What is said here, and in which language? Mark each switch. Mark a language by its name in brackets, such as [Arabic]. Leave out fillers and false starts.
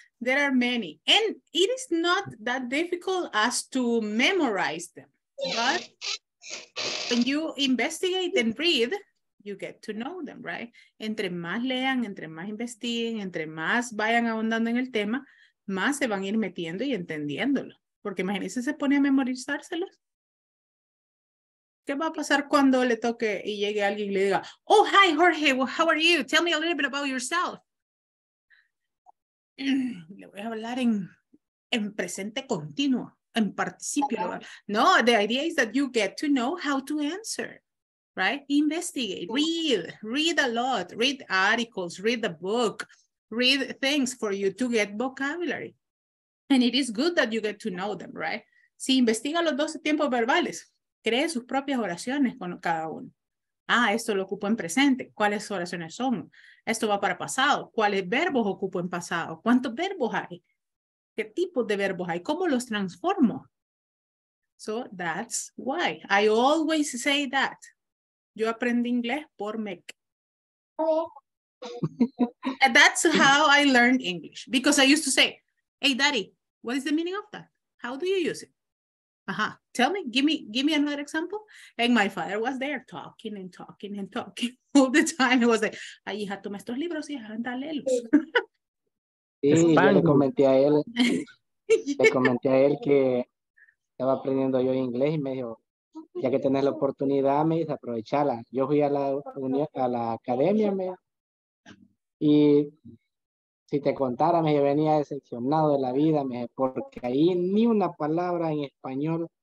[English] There are many, and it is not that difficult as to memorize them, but when you investigate and read, you get to know them, right? [Spanish] Entre más lean, entre más investiguen, entre más vayan ahondando en el tema, más se van a ir metiendo y entendiéndolo. Porque imagínense, se pone a memorizárselos. ¿Qué va a pasar cuando le toque y llegue alguien y le diga, [English] oh, hi, Jorge, well, how are you? Tell me a little bit about yourself. [Spanish] Le voy a hablar en presente continuo, en participio. [English] No, the idea is that you get to know how to answer, right? Investigate, read a lot, read articles, read the book, read things for you to get vocabulary. And it is good that you get to know them, right? [Spanish] Si investiga los 12 tiempos verbales, cree sus propias oraciones con cada uno. Ah, esto lo ocupo en presente. ¿Cuáles oraciones son? Esto va para pasado. ¿Cuáles verbos ocupo en pasado? ¿Cuántos verbos hay? ¿Qué tipo de verbos hay? ¿Cómo los transformo? [English] So that's why. I always say that. [Spanish] Yo aprendí inglés por MEC. [English] That's how I learned English. Because I used to say, hey, daddy, what is the meaning of that? How do you use it? Ajá. Tell me, give me another example. And my father was there talking and talking and talking all the time. He was like, [Spanish] ay, hija, toma estos libros y anda a leerlos. Sí, yo le comenté a él, le comenté a él que estaba aprendiendo yo inglés y me dijo, ya que tenés la oportunidad, me dice, aprovechala. Yo fui a la academia, me y si te contara, me venía decepcionado de la vida, me porque ahí ni una palabra en español